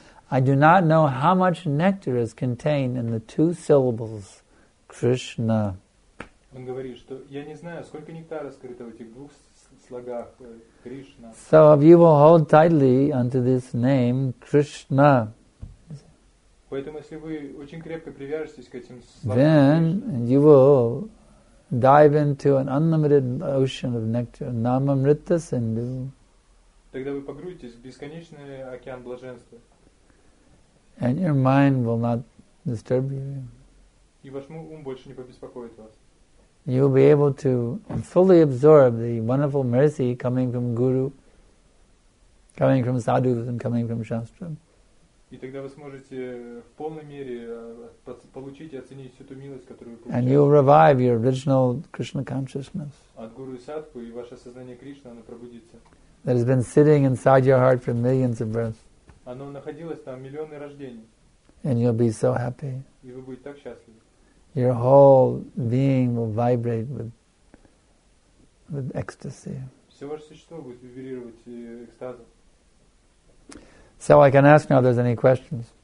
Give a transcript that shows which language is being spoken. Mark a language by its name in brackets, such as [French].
[English] I do not know how much nectar is contained in the two syllables Krishna. [Russian] Он говорит, что я не знаю, сколько нектара скрыто в этих двух слогах Кришна. [English] So if you will hold tightly unto this name Krishna. [Russian] Поэтому если вы очень крепко привяжетесь к этим слогам, [English] then you will dive into an unlimited ocean of nectar, Namamrita Sindhu. [Russian] Тогда вы погрузитесь в бесконечный океан блаженства. [English] And your mind will not disturb you. [Russian] И ваш ум больше не побеспокоит вас. [English] You will be able to fully absorb the wonderful mercy coming from Guru, coming from sadhus, and coming from Shastra. [Russian] И тогда вы сможете в полной мере получить и оценить всю ту милость, которую вы получаете. [English] And you will revive your original Krishna consciousness. [Russian] От Гуру и Садху, и ваше сознание Кришна, оно пробудится. [English] That has been sitting inside your heart for millions of births. [Russian] Оно находилось там миллионы рождений. [English] And you'll be so happy. [Russian] И вы будете так счастливы. [English] Your whole being will vibrate with ecstasy. [Russian] Все ваше существо будет вибрировать экстазом. [English] So I can ask now if there's any questions.